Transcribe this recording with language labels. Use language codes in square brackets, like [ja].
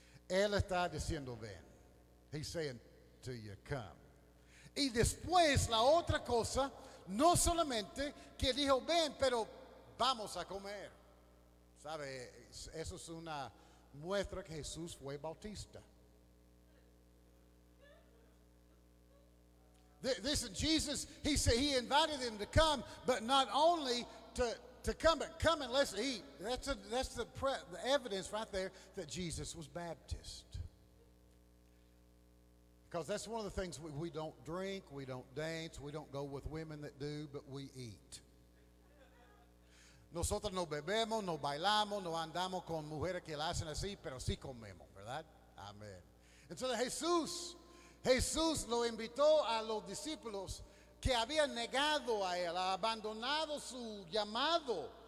[es] Él está diciendo, ven. [en] He's saying to you, come. [es] Y después, la otra cosa, no solamente que dijo, ven, pero vamos a comer. ¿Sabe? Eso es una muestra que Jesús fue bautista. [en] This is Jesus, he said he invited them to come, but not only to come, but come and let's eat. That's the evidence right there that Jesus was Baptist. Because that's one of the things we don't drink, we don't dance, we don't go with women that do, but we eat. [es] Nosotros no bebemos, no bailamos, no andamos con mujeres que la hacen así, pero sí comemos, ¿verdad? Amen. [en] And so [es] Jesús lo invitó a los discípulos que habían negado a él, ha abandonado su llamado.